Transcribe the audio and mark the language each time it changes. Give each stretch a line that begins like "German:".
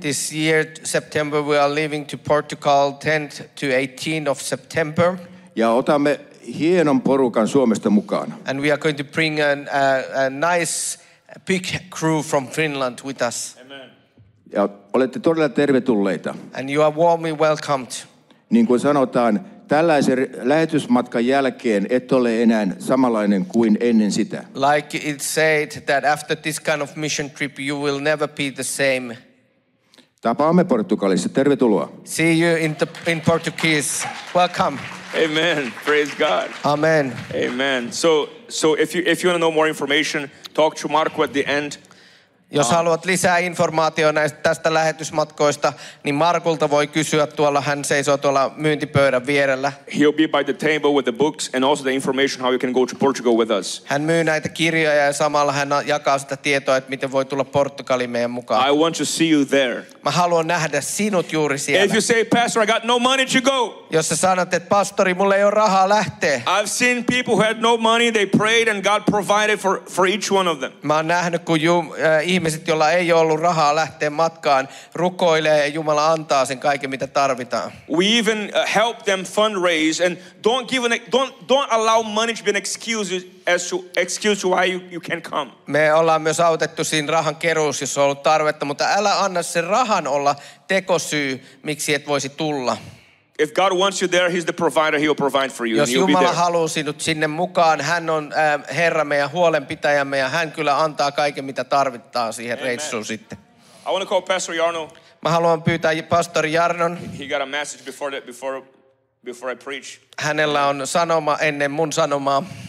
English: This year September we are leaving to Portugal 10th to 18th of September.
Finnish: Ja otamme hienon porukan Suomesta mukaan.
English: And we are going to bring a nice big crew from Finland with us.
Finnish: Amen. Ja olette todella tervetulleita.
English: And you are warmly welcomed.
Finnish: Niin kuin sanotaan, tällaisen lähetysmatkan jälkeen et ole enää samanlainen kuin ennen sitä.
English: Like it said that after this kind of mission trip you will never be the same.
Finnish: Tapaamme Portugalissa. Tervetuloa.
English: See you in Portuguese. Welcome. Amen. Praise God. Amen. Amen. So if you want to know more information, talk to Marco at the end.
Finnish: Jos haluat lisää informaatiota näistä tästä lähetysmatkoista, niin Markulta voi kysyä tuolla. Hän seisoo tuolla myyntipöydän vierellä.
English: He'll be by the table with the books and also the information how you can go to Portugal with us.
Finnish: Hän myy näitä kirjoja ja samalla hän jakaa sitä tietoa, että miten voi tulla Portugaliin meidän mukaan.
English: I want to see you there.
Finnish: Mä haluan nähdä sinut juuri siellä.
English: If you say, pastor, I got no money to go.
Finnish: Jos sä sanot, että pastori, mulla ei ole rahaa lähteä.
English: I've seen people who had no money, they prayed and God provided for each one of them.
Finnish: Mä oon nähnyt, kun ihmiset, joilla ei ole ollut rahaa lähteä matkaan, rukoilee ja Jumala antaa sen kaiken, mitä tarvitaan.
English: We even help them fundraise and don't allow money to be an excuse. As to why you can come.
Finnish: Me ollaan myös autettu siinä rahan keruus, jos on ollut tarvetta, mutta älä anna sen rahan olla tekosyy, miksi et voisi tulla.
English: If God wants you there, he's the provider, he'll provide for you.
Finnish: Jos Jumala haluaa sinut sinne mukaan, hän on Herra meidän huolenpitäjämme ja hän kyllä antaa kaiken, mitä tarvitaan siihen reissuun sitten.
English: I want to call Pastor Jarno.
Finnish: Mä haluan pyytää pastori Jarnon.
English: He got a message before I preach.
Finnish: Hänellä on sanoma ennen mun sanomaa.